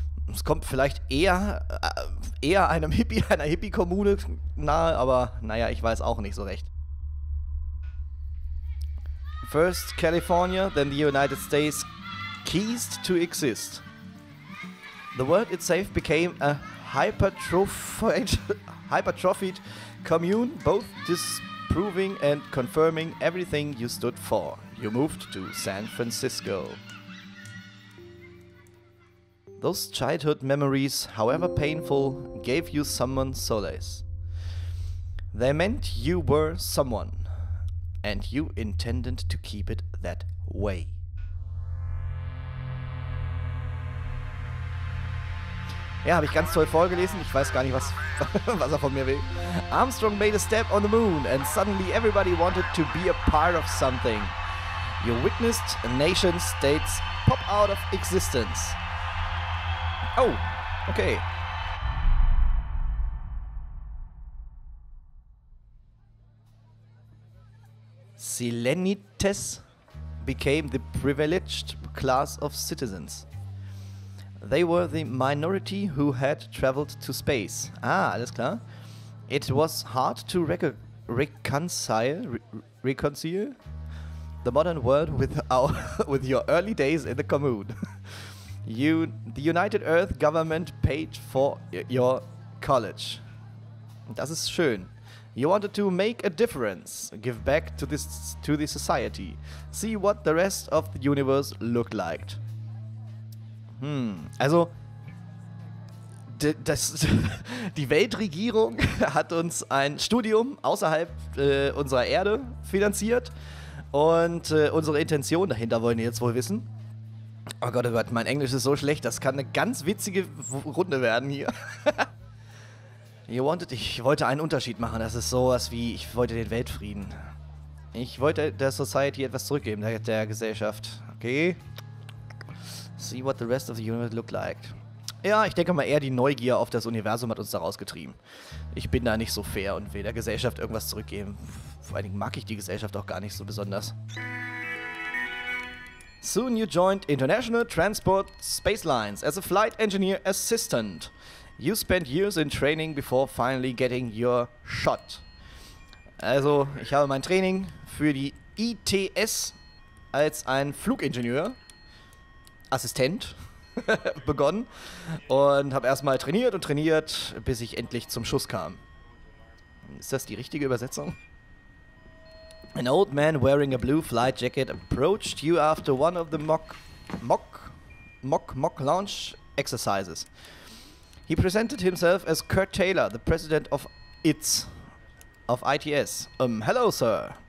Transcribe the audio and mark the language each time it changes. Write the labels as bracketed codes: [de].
[de] Es kommt vielleicht eher einer hippie Kommune nahe, aber naja, ich weiß auch nicht so recht. [en] First California, then the United States ceased to exist. The world itself became a hypertrophied commune, both disproving and confirming everything you stood for. You moved to San Francisco. Those childhood memories, however painful, gave you someone solace. They meant you were someone. And you intended to keep it that way. [de] Ja, habe ich ganz toll vorgelesen. Ich weiß gar nicht, was er von mir will. [en] Armstrong made a step on the moon, and suddenly everybody wanted to be a part of something. You witnessed nation states pop out of existence. Oh, okay. Selenites became the privileged class of citizens. They were the minority who had traveled to space. [de] Ah, alles klar. [en] It was hard to reconcile the modern world with your early days in the commune. The United Earth government paid for your college. [de] Das ist schön. [en] You wanted to make a difference, give back to the society, see what the rest of the universe looked like. [de] Also die Weltregierung hat uns ein Studium außerhalb unserer Erde finanziert und unsere Intention dahinter wollen wir jetzt wohl wissen. Oh Gott, oh Gott, mein Englisch ist so schlecht, das kann eine ganz witzige Runde werden hier. Ich wollte einen Unterschied machen, das ist sowas wie, ich wollte den Weltfrieden. Ich wollte der Society etwas zurückgeben, der Gesellschaft. Okay. [en] See what the rest of the universe looked like. [de] Ja, ich denke mal eher die Neugier auf das Universum hat uns da rausgetrieben. Ich bin da nicht so fair und will der Gesellschaft irgendwas zurückgeben. Vor allen Dingen mag ich die Gesellschaft auch gar nicht so besonders. [en] Soon you joined International Transport Space Lines as a flight engineer assistant. You spent years in training before finally getting your shot. [de] Also, ich habe mein Training für die ITS als ein Flugingenieur, Assistent, begonnen und habe erstmal trainiert und trainiert, bis ich endlich zum Schuss kam. Ist das die richtige Übersetzung? [en] An old man wearing a blue flight jacket approached you after one of the mock launch exercises. He presented himself as Kurt Taylor, the president of ITS. Hello, sir.